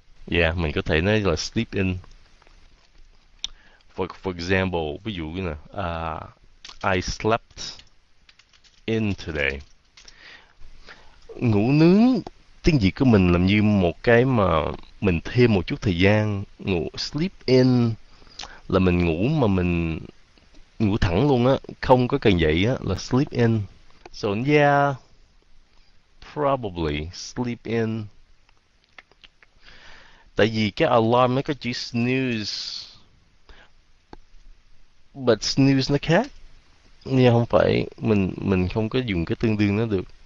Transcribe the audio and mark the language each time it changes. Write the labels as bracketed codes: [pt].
[vi] Yeah, mình có thể nói là sleep in. [en] For example, [vi] ví dụ như là [en] I slept in today. [vi] Ngủ nướng tiếng Việt của mình làm như một cái mà mình thêm một chút thời gian ngủ. Sleep in là mình ngủ mà mình ngủ thẳng luôn á, không có cần dậy á, là sleep in. [en] So yeah, probably sleep in. [vi] Tại vì cái alarm nó có chữ snooze, but snooze nó khác. Nhưng không phải, mình không có dùng cái tương đương nó được.